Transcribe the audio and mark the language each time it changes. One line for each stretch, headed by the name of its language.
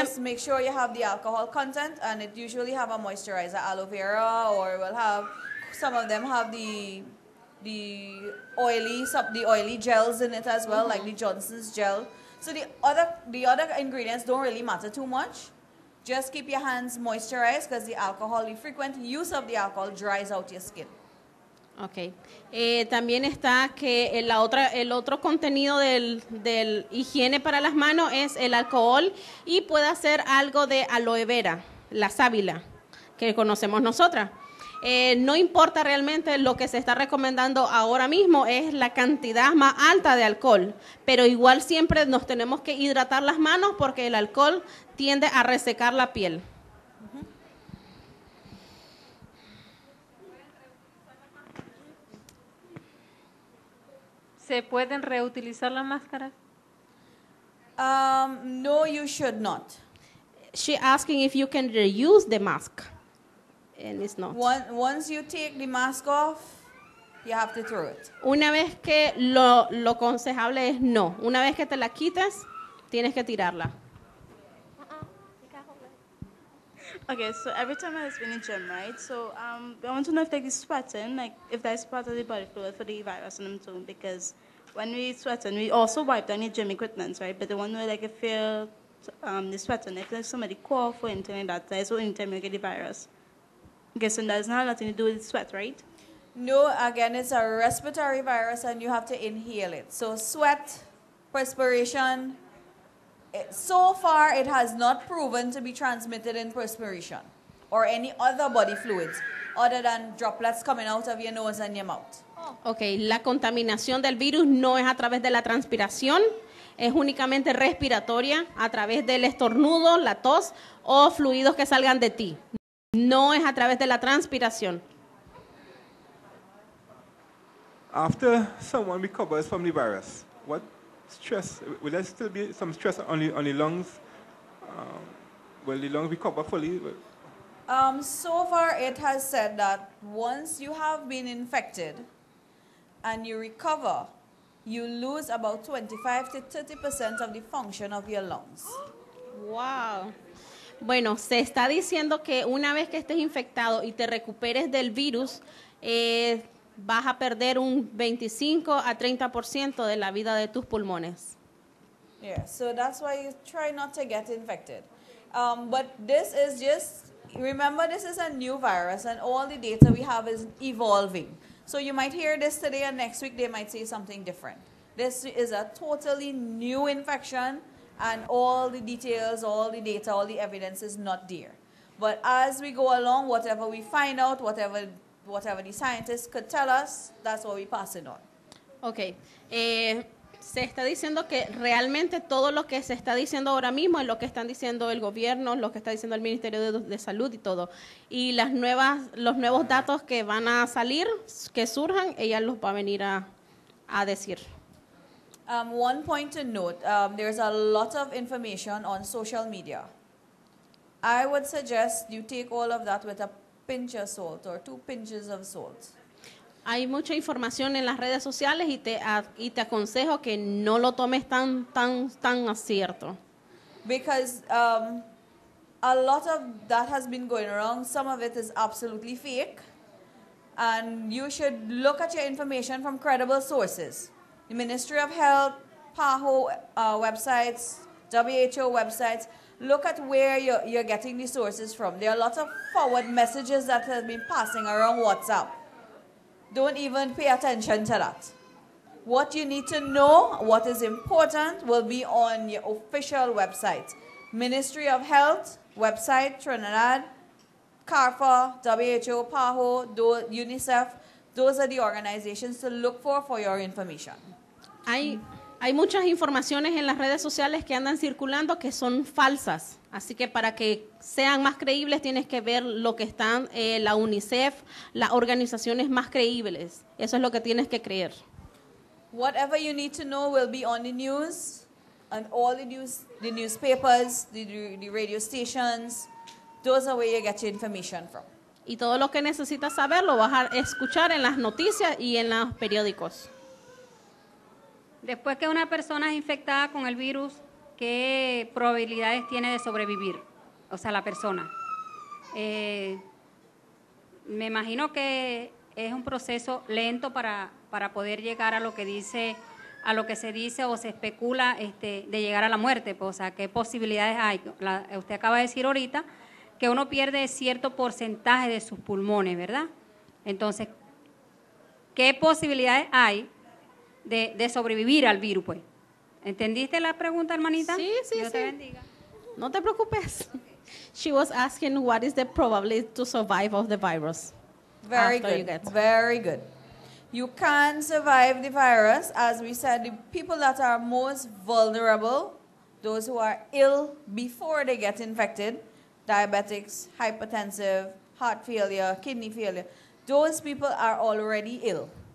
English: just make sure you have the alcohol content, and it usually have a moisturizer, aloe vera, or will have some of them have the oily gels in it as well, mm-hmm. like the Johnson's gel. So the other ingredients don't really matter too much. Just keep your hands moisturized, because the alcohol, the frequent use of the alcohol dries out your skin. Okay.
Spanish: También está que el otro contenido del higiene para las manos es el alcohol y puede hacer algo de aloe vera, la sábila, que conocemos nosotras. No importa realmente, lo que se está recomendando ahora mismo es la cantidad más alta de alcohol, pero igual siempre nos tenemos que hidratar las manos porque el alcohol tiende a resecar la piel. ¿Se pueden reutilizar las máscaras?
English: No, you should not. She asking if you can reuse the mask. And it's not. Once you take the mask off, you have to throw it.
Spanish: Una vez que lo aconsejable es no. Una vez que te la quites, tienes que tirarla.
English: Okay, so every time I've been in gym, right? So I want to know if they're sweating, like if that's part of the body fluid for the virus in them too. Because when we sweat, and we also wipe down your gym equipment, right? But the one where like if you're the sweat on it, like somebody cough or anything like that, that's the only time you get the virus. I'm guessing that's not nothing to do with sweat, right? No, again, it's a respiratory virus and you have to inhale it. So sweat, perspiration, so far it has not proven to be transmitted in perspiration or any other body fluids other than droplets coming out of your nose and your mouth.
Spanish: Okay, la contaminación del virus no es a través de la transpiración, es únicamente respiratoria, a través del estornudo, la tos o fluidos que salgan de ti. No es a través de la transpiración.
English: After someone recovers from the virus, what stress, will there still be some stress on the lungs? Will the lungs recover fully? So far it has said that once you have been infected and you recover, you lose about 25 to 30% of the function of your lungs. Wow.
Spanish: Bueno, se está diciendo que una vez que estés infectado y te recuperes del virus, vas a perder un 25 a 30% de la vida de tus pulmones.
English: Yeah, so that's why you try not to get infected. But this is just, remember, this is a new virus and all the data we have is evolving. So you might hear this today and next week they might say something different. This is a totally new infection and all the details, all the data, all the evidence is not there. But as we go along, whatever we find out, whatever the scientists could tell us, that's what we pass it on. Okay.
Spanish: Se está diciendo que realmente todo lo que se está diciendo ahora mismo es lo que están diciendo el gobierno, lo que está diciendo el Ministerio de Salud y todo. Y las nuevas, los nuevos datos que van a salir, que surjan, ella los va a venir a decir.
English: One point to note, there's a lot of information on social media. I would suggest you take all of that with a pinch of salt or two pinches of salt.
Spanish: Hay mucha información en las redes sociales y te aconsejo que no lo tomes tan acierto.
English: Because a lot of that has been going wrong. Some of it is absolutely fake. And you should look at your information from credible sources. The Ministry of Health, PAHO websites, WHO websites. Look at where you're getting the sources from. There are lots of forward messages that have been passing around WhatsApp. Don't even pay attention to that. What you need to know, what is important, will be on your official website. Ministry of Health website, Trinidad, CARFA, WHO, PAHO, UNICEF. Those are the organizations to look for your information.
Spanish: Hay muchas informaciones en las redes sociales que andan circulando que son falsas. Así que para que sean más creíbles tienes que ver lo que están la UNICEF, las organizaciones más creíbles. Eso es lo que tienes que creer.
English: Whatever you need to know will be on the news and all the news, the newspapers, the radio stations. Those are where you get your information from.
Spanish: Y todo lo que necesitas saber lo vas a escuchar en las noticias y en los periódicos. Después que una persona es infectada con el virus, ¿qué probabilidades tiene de sobrevivir? O sea, la persona. Me imagino que es un proceso lento para poder llegar a lo que dice, a lo que se dice o se especula de llegar a la muerte. Pues, o sea, ¿qué posibilidades hay? Usted acaba de decir ahorita que uno pierde cierto porcentaje de sus pulmones, ¿verdad? Entonces, ¿qué posibilidades hay de sobrevivir al virus, pues? ¿Entendiste la pregunta, hermanita? Sí, sí, Dios sí. Dios te bendiga. No te preocupes. Okay.
English: She was asking what is the probability to survive of the virus. Very good. Very good. You can survive the virus. As we said, the people that are most vulnerable, those who are ill before they get infected, diabetics, hypertensive, heart failure, kidney failure, those people are already ill.